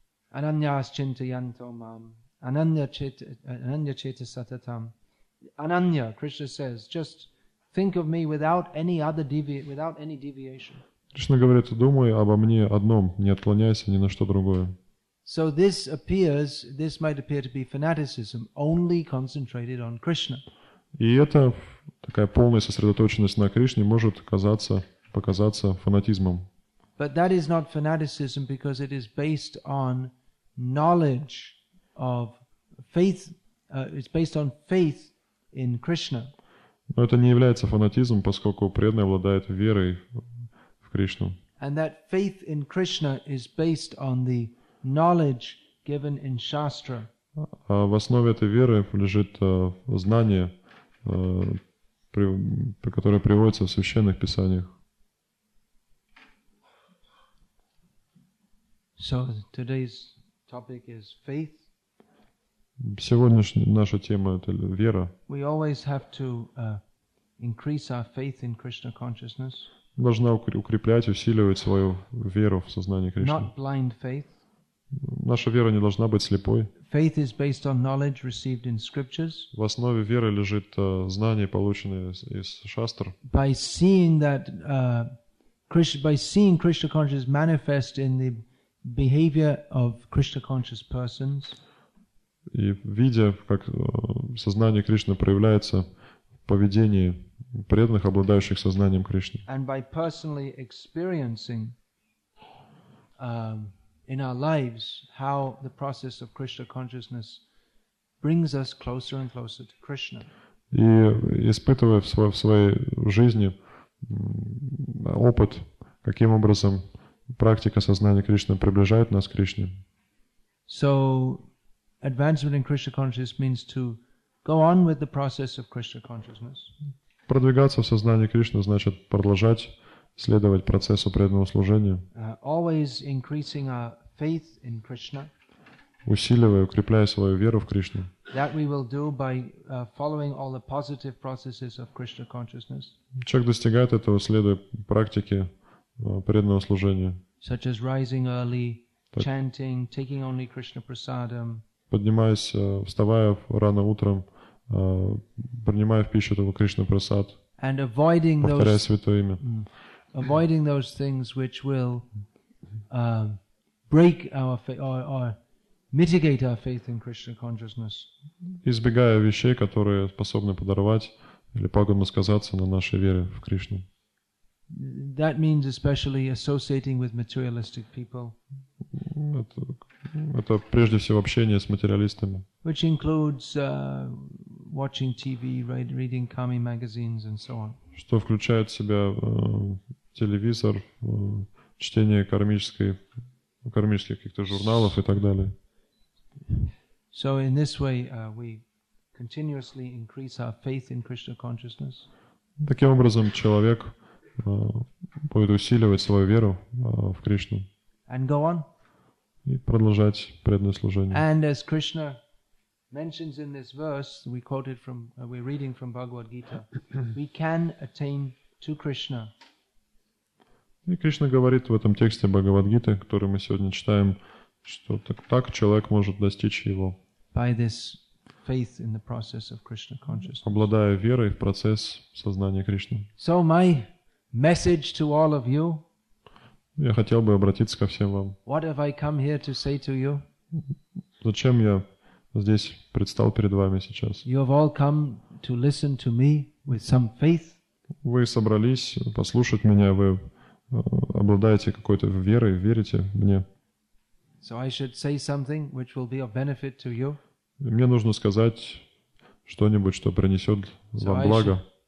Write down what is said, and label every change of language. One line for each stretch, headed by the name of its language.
Sanskrit: Ананьяс чинтаянто мам. Ананья чета сататам.
English: Ананья, Krishna says, just think of me without any other without any deviation.
Russian: Кришна говорит, думай обо мне одном, не отклоняйся ни на что другое.
English: So this appears, this might appear to be fanaticism, only concentrated on Krishna.
Russian: И это такая полная сосредоточенность на Кришне может казаться, показаться фанатизмом.
English: But that is not fanaticism because it is based on knowledge of faith. It's based on faith in Krishna.
Russian: Но это не является фанатизмом, поскольку преданный обладает верой в Кришну.
English: And that faith in Krishna is based on the knowledge given in Shastra.
Russian: А в основе этой веры лежит знание, которое приводится в священных писаниях.
English: So today's topic is faith.
Russian: Сегодняшняя наша тема – это вера.
English: We always have to increase our faith in Krishna consciousness.
Russian: Должна укреплять, усиливать свою веру в сознание Кришны.
English: Not blind faith.
Russian: Наша вера не должна быть слепой.
English: Faith is based on knowledge received in scriptures.
Russian: В основе веры лежит знание, полученное из шастр.
English: By seeing that Krishna consciousness manifest in the behavior of Krishna conscious persons.
Russian: И видя, как сознание Кришны проявляется в поведении преданных, обладающих сознанием Кришны.
English: And by personally experiencing in our lives how the process of Krishna consciousness brings us closer and closer to Krishna.
Russian: И испытывая в своей жизни опыт, каким образом практика сознания Кришны приближает нас к Кришне.
English: So, advancement in Krishna consciousness means to go on with the process of Krishna consciousness.
Russian: Продвигаться в сознании Кришны значит продолжать следовать процессу преданного служения.
English: Always increasing our faith in Krishna.
Russian: Усиливая, укрепляя свою веру в Кришну.
English: That we will do by following all the positive processes of Krishna consciousness.
Russian: Человек достигает этого, следуя практике преданного служения.
English: Such as rising early, так, chanting, taking only Krishna prasadam.
Russian: Поднимаясь, вставая рано утром, принимая в пищу только Кришна прасад,
English: and avoiding
Russian: повторяя
English: those,
Russian: святое имя.
English: Avoiding those things which will break our faith or mitigate our faith in Krishna consciousness.
Russian: Избегая вещей, которые способны подорвать или пагубно сказаться на нашей вере в Кришну.
English: That means especially associating with materialistic people.
Russian: Это прежде всего общение с материалистами.
English: Which includes watching TV, reading kami magazines and so on.
Russian: Что включает в себя телевизор, чтение кармических каких-то журналов и так далее.
English: So in this way we continuously increase our faith in Krishna consciousness.
Russian: Таким образом человек будет усиливать свою веру в Кришну.
English: And go on.
Russian: И продолжать преданное служение.
English: And as Krishna mentions in this verse, we quoted from, we're reading from Bhagavad Gita, we can attain to Krishna.
Russian: И Кришна говорит в этом тексте Бхагавад-гиты, который мы сегодня читаем, что так человек может достичь его.
English: By this faith in the process of Krishna consciousness.
Russian: Обладая верой в процесс сознания Кришны.
English: So my message to all of you.
Russian: Я хотел бы обратиться ко всем вам.
English: What have I come here to say to you?
Russian: Зачем я здесь предстал перед вами сейчас?
English: You have all come to listen to me with some faith.
Russian: Вы собрались послушать меня, вы обладаете какой-то верой, верите мне.
English: So I should say something which will be of benefit to you.
Russian: Мне нужно сказать что-нибудь, что принесет вам благо.